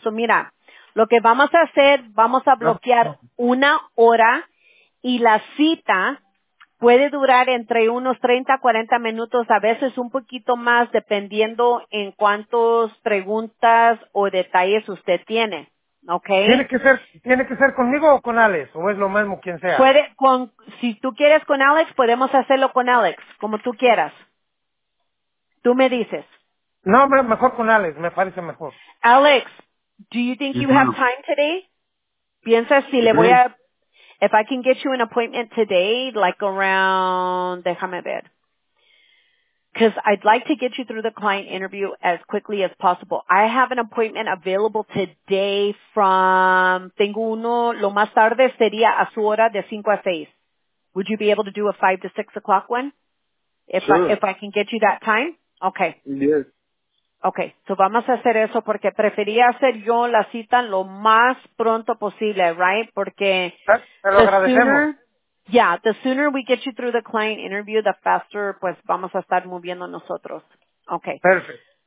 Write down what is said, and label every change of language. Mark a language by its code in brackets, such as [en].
[es] So, mira, lo que vamos a hacer, vamos a bloquear una hora y la cita puede durar entre unos 30 a 40 minutos, a veces un poquito más, dependiendo en cuántas preguntas o detalles usted tiene. [en] Okay. [es] ¿Tiene que ser conmigo o con Alex? ¿O es lo mismo quien sea? Si tú quieres con Alex, podemos hacerlo con Alex, como tú quieras. Tú me dices. No, mejor con Alex, me parece mejor. [en] Alex, do you think you have time today? [es] ¿Piensas si le voy a... [en] If I can get you an appointment today, like around... [es] Déjame ver. [en] Because I'd like to get you through the client interview as quickly as possible. I have an appointment available today from... [es] Tengo uno, lo más tarde sería a su hora de 5 a 6. [en] Would you be able to do a 5 to 6 o'clock one? Sure. If I can get you that time? Okay. Yes. Okay, so [es] vamos a hacer eso porque prefería hacer yo la cita lo más pronto posible, right? [en] Porque the sooner we get you through the client interview, the faster [es] pues vamos a estar moviendo nosotros. [en] Okay. Perfect.